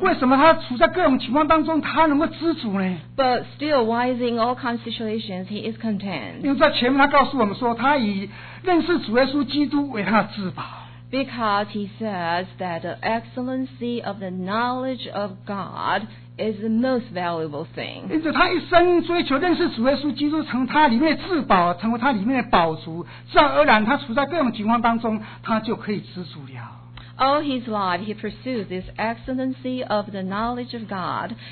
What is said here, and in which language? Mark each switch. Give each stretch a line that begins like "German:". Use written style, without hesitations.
Chinese: 为什么他处在各种情况当中，他能够知足呢？
English: But still, why is in all kinds of situations he is content?
Chinese: 因为在前面他告诉我们说，他以认识主耶稣基督为他的至宝。
English: Because he says that the excellency of the knowledge of God is the most valuable thing.
Chinese: 因此，他一生追求认识主耶稣基督，成他里面的至宝，成为他里面的宝足。自然而然，他处在各种情况当中，他就可以知足了。
English: All his life, he pursued this excellency of the knowledge of God.